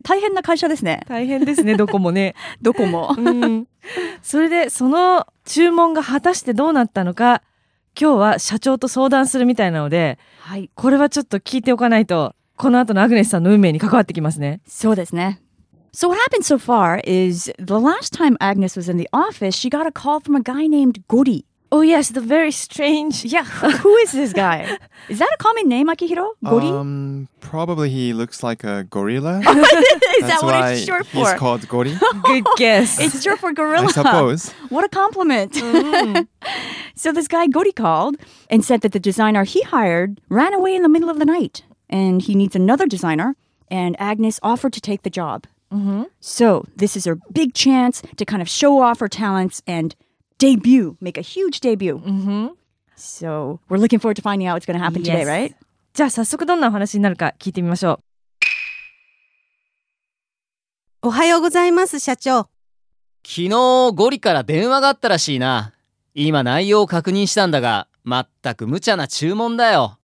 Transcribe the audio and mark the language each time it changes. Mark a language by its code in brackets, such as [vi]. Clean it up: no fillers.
[ja] 大変な会社ですね。大変ですね、どこもね。どこも、うん、それでその注文が果たしてどうなったのか、今日は社長と相談するみたいなので、はい、これはちょっと聞いておかないとこの後のアグネスさんの運命に関わってきますね。そうですね。 [en] So what happened so far is the last time Agnes was in the office, she got a call from a guy named Gori. Oh yes, the very strange. Yeah, who is this guy? Is that a common name, Akihiro? Gori? Probably he looks like a gorilla. Is that what it's short for? He's called Gori. Good guess. It's short for gorilla. I suppose. What a compliment. So this guy Gori called and said that the designer he hired ran away in the middle of the night and he needs another designer, and Agnes offered to take the job. Mm-hmm. So this is her big chance to kind of show off her talents and debut, make a huge debut. Mm-hmm. So we're looking forward to finding out what's going to happen today, right? [ja] じゃあ早速どんなお話になるか聞いてみましょう。おはようございます、社長。昨日ゴリから電話があったらしいな。今内容を確認したんだが、全く無茶な注文だよ。